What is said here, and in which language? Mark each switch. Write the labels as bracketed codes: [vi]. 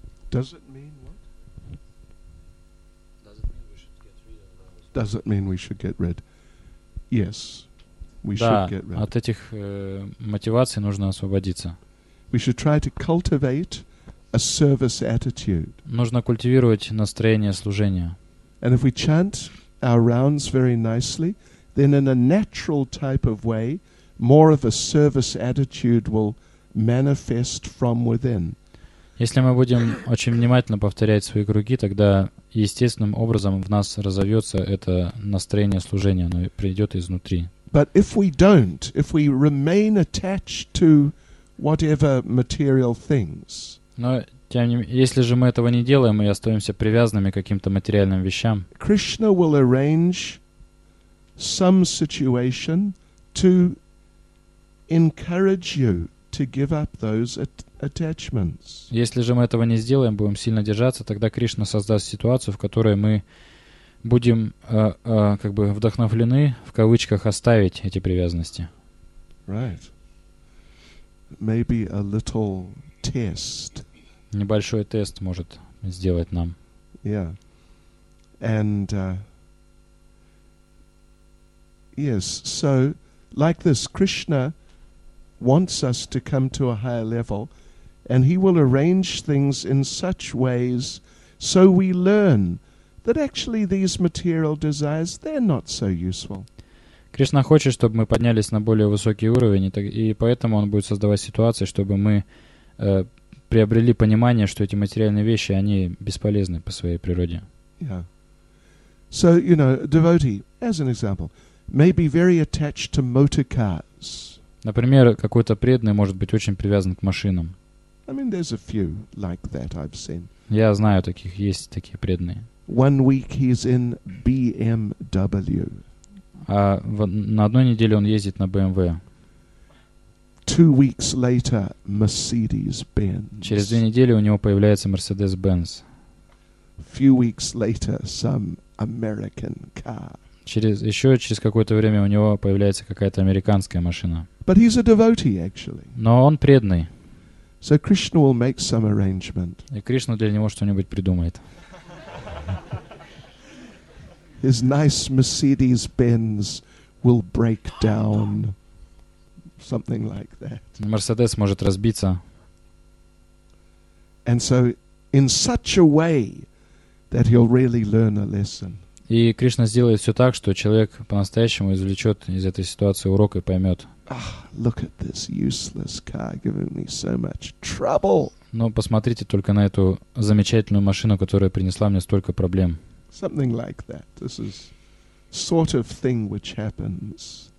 [en] Does it mean what? Does it mean we should get rid? Yes, we should get rid. [ru] Да, от этих мотиваций нужно освободиться. [en] We should try to cultivate a service attitude. [ru] Нужно культивировать настроение служения. [en] And if we chant our rounds very nicely, then in a natural type of way, more of a service attitude will manifest from within. [ru] Если мы будем очень внимательно повторять свои круги, тогда естественным образом в нас разовьется это настроение служения, оно придет изнутри. [en] But if we don't, if we remain attached to whatever material things. [ru] Но тем не менее, если же мы этого не делаем, мы остаемся привязанными к каким-то материальным вещам. [en] Krishna will arrange some situation to encourage you to give up those attachments. [ru] Если же мы этого не сделаем, будем сильно держаться, тогда Кришна создаст ситуацию, в которой мы будем как бы вдохновлены в кавычках оставить эти привязанности. [en] Right. Maybe a little test. [ru] Небольшой тест может сделать нам. [en] Yeah. And Yes, so like this, Krishna wants us to come to a higher level, and he will arrange things in such ways so we learn that actually these material desires, they're not so useful. [ru] Кришна хочет, чтобы мы поднялись на более высокий уровень, и поэтому он будет создавать ситуации, чтобы мы приобрели понимание, что эти материальные вещи, они бесполезны по своей природе. [en] Yeah. So, you know, devotee, as an example, may be very attached to motor cars. [ru] Например, какой-то преданный может быть очень привязан к машинам. [en] I mean, there's a few like that I've seen. [ru] Я знаю таких, есть такие преданные. [en] One week he's in BMW. [ru] А на одной неделе он ездит на BMW. [en] 2 weeks later, Mercedes-Benz. [ru] Через две недели у него появляется Mercedes-Benz. [en] Few weeks later, some American car. [ru] Через какое-то время у него появляется какая-то американская машина. [en] But he's a devotee, actually. [ru] Но он преданный. [en] So Krishna will make some arrangement. [ru] И Кришна для него что-нибудь придумает. [en] His nice Mercedes-Benz will break down. Something like that. [ru] Mercedes может разбиться. [en] And so in such a way that he'll really learn a lesson. [ru] И Кришна сделает все так, что человек по-настоящему извлечет из этой ситуации урок и поймет. [en] Oh, look at this useless car giving me so much trouble. [ru] Но посмотрите только на эту замечательную машину, которая принесла мне столько проблем. [en] Something like that. This is sort of thing which happens.